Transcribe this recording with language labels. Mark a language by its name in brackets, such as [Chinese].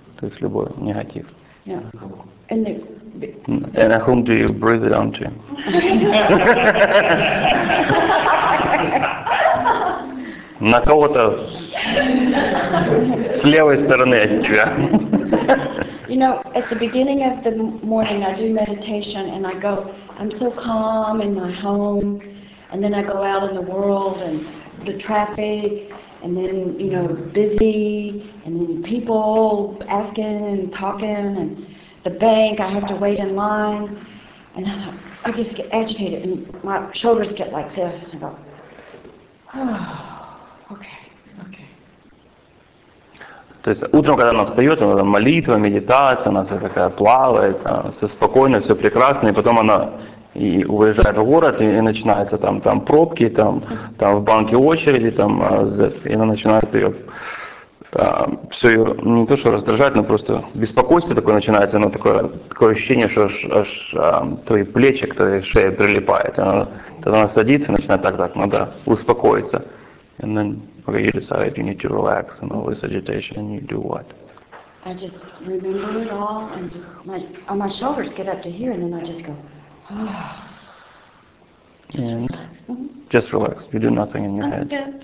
[Russian] То есть любой негатив. [English] And whom do you breathe it onto? [Russian] На кого-то с левой стороны от тебя. [English] You know, at the beginning of the morning I do meditation and I go, I'm so calm in my home, and then I go out in the world and the traffic, and then, you know, busy, and then people asking and talking, and the bank, I have to wait in line, and I just get agitated, and my shoulders get like this, and I go, Okay. [Russian] То есть утром, когда она встает, она там молитва, медитация, она вся такая плавает, все спокойно, все прекрасно, и потом она и уезжает в город, и начинаются там пробки, там в банке очереди, там, и она начинает ее все ее не то что раздражать, но просто беспокойство такое начинается, оно такое ощущение, что аж твои плечи к твоей шее прилипает. Тогда она садится и начинает так, надо успокоиться. [English] And then okay, you decide you need to relax and all this agitation and you do what? I just remember it all and just my shoulders get up to here and then I just go, oh, just relax. You do nothing in your head.